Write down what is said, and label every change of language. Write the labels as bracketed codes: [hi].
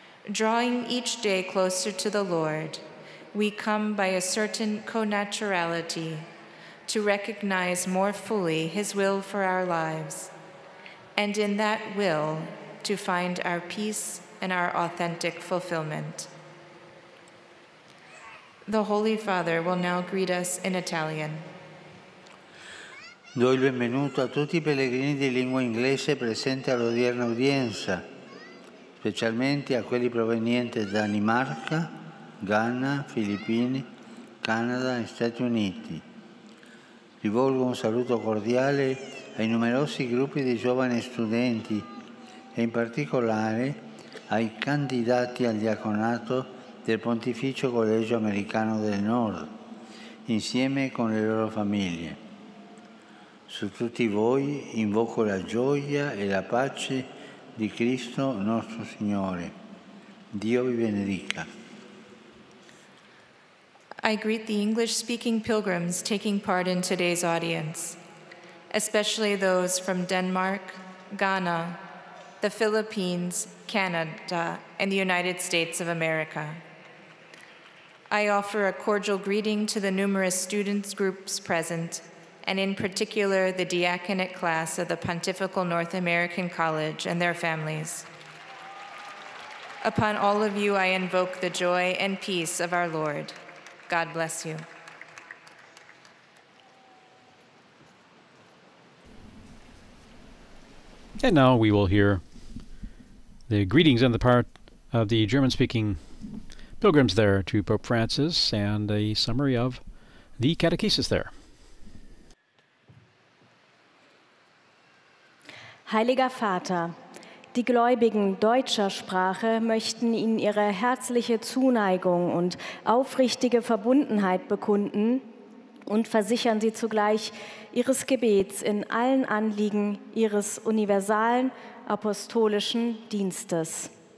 [en] Drawing each day closer to the Lord, we come by a certain connaturality to recognize more fully His will for our lives, and in that will to find our peace and our authentic fulfillment. The Holy Father will now greet us in Italian. [it] Do il benvenuto a tutti i pellegrini di lingua inglese presenti all'odierna udienza, specialmente a quelli provenienti da Danimarca, Ghana, Filippine, Canada e Stati Uniti. Rivolgo un saluto cordiale ai numerosi gruppi di giovani studenti e in particolare ai candidati al diaconato del Pontificio Collegio Americano del Nord, insieme con le loro famiglie. Su tutti voi invoco la gioia e la pace di Cristo nostro Signore. Dio vi benedica. [en] I greet the English-speaking pilgrims taking part in today's audience, especially those from Denmark, Ghana, the Philippines, Canada, and the United States of America. I offer a cordial greeting to the numerous students groups present, and in particular the diaconate class of the Pontifical North American College and their families. Upon all of you, I invoke the joy and peace of our Lord. God bless you. And now we will hear the greetings on the part of the German-speaking pilgrims there to Pope Francis and a summary of the catechesis there. [de] Heiliger Vater, die Gläubigen deutscher Sprache möchten Ihnen ihre herzliche Zuneigung und aufrichtige Verbundenheit bekunden und versichern Sie zugleich Ihres Gebets in allen Anliegen Ihres universalen apostolischen Dienstes.